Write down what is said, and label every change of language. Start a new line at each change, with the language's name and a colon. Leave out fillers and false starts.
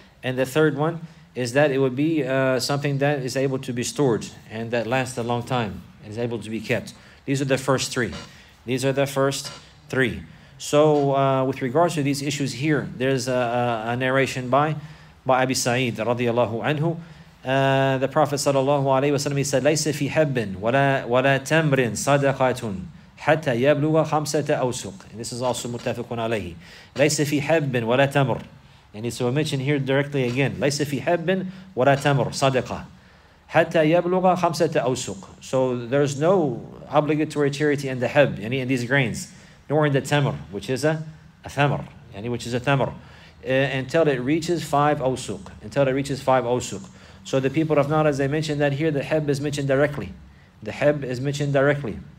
English: And the third one is that it will be something that is able to be stored and that lasts a long time and is able to be kept. These are the first three. These are the first three. So with regards to these issues here, there's a narration by Abi Sa'id radiallahu anhu. The Prophet sallallahu alayhi wa sallam, he said,
Arabic: لَيْسَ فِي حَبٍ وَلَا تَمْرٍ صَدَقَةٌ حَتَّى يَبْلُغَ خَمْسَةَ أَوْسُقٍ.
English: And this is also mutafiqun alayhi.
Arabic: لَيْسَ فِي حَبٍ وَلَا تَمْرٍ.
English: And so we mention here directly again,
Arabic: لَيْسَ فِي حَبٍ وَلَا تَمْرٍ صَدَقَةٌ حَتَّى يَبْلُغَ خَمْسَةَ أَوْسُقٍ.
English: So there's no obligatory charity in the hab, yani in these grains, nor in the tamr, which is a thamr, yani which is a thamr, until it reaches five awsuq, until it reaches five awsuq. So the people of Nahr, as they mentioned that here, the hab is mentioned directly. The hab is mentioned directly.